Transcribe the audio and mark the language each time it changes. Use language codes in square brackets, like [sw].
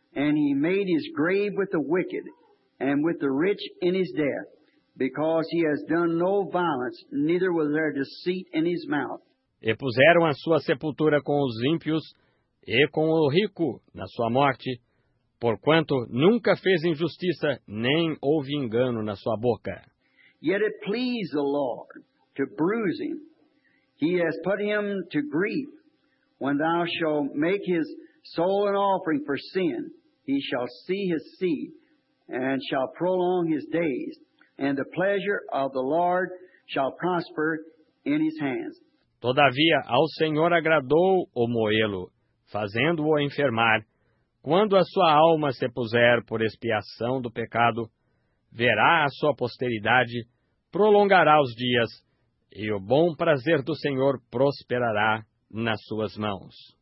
[en] And he made his grave with the wicked and with the rich in his death, because he has done no violence, neither was there deceit in his mouth. [pt] E puseram a sua sepultura com os ímpios e com o rico na sua morte. Porquanto nunca fez injustiça, nem houve engano na sua boca. [en] Yet it pleased the Lord to bruise him. He has put him to grief. When thou shalt make his soul an offering for sin, he shall see his seed, and shall prolong his days, and the pleasure of the Lord shall prosper in his hands. [pt] Todavia ao Senhor agradou o moê-lo, fazendo-o enfermar. Quando a sua alma se puser por expiação do pecado, verá a sua posteridade, prolongará os dias, e o bom prazer do Senhor prosperará nas suas mãos.